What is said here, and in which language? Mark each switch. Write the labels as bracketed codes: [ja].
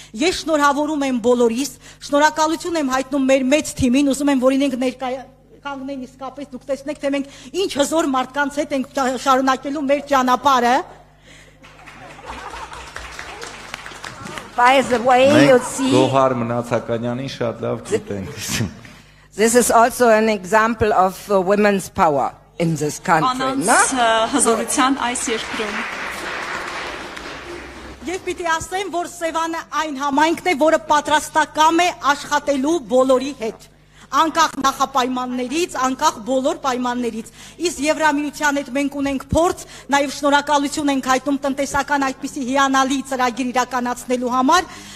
[hy] Ես շնորհավորում եմ բոլորիս, շնորհակալություն եմ հայտնում մեր մեծ թիմին, ուզում եմ, որ ինենք ներկայ կանգնեն իսկապես, դուք տեսնեք, թե մենք ինչ հզոր մարդկանց հետ ենք շարունակելու մեր ճանապարհը։ [en] By the way, you'll see. [hy] Գոհար Մնացականյանին շատ լավ գիտենք։ [en] This is also an example of women's power in this country, no? [hy] Անց հզորության այս երկրում։ Ես պիտի ասեմ, որ Սևանը այն համայնքն է, որը պատրաստակամ է աշխատելու բոլորի հետ, անկախ նախապայմաններից, անկախ բոլոր պայմաններից։ Իսկ Եվրամիության հետ մենք ունենք փորձ, նաև շնորհակալություն ենք հայտնում տնտեսական այդպիսի հիանալի ծրագիր իրականացնելու համար,